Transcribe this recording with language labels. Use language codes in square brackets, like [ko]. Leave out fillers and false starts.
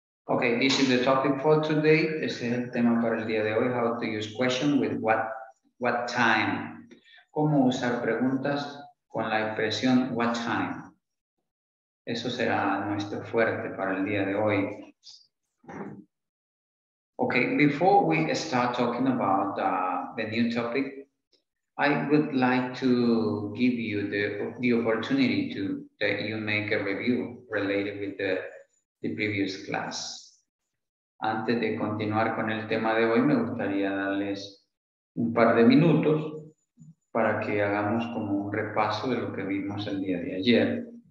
[en] Okay, this is the topic for today. [es] Este es el tema para el día de hoy. [en] How to use question with what time. [es] ¿Cómo usar preguntas con la expresión what time? Eso será nuestro fuerte para el día de hoy. [en] Okay, before we start talking about the new topic, I would like to give you the opportunity to that you make a review related with the previous class. [es] Antes de continuar con el tema de hoy, me gustaría darles un par de minutos para que hagamos como un repaso de lo que vimos el día de ayer.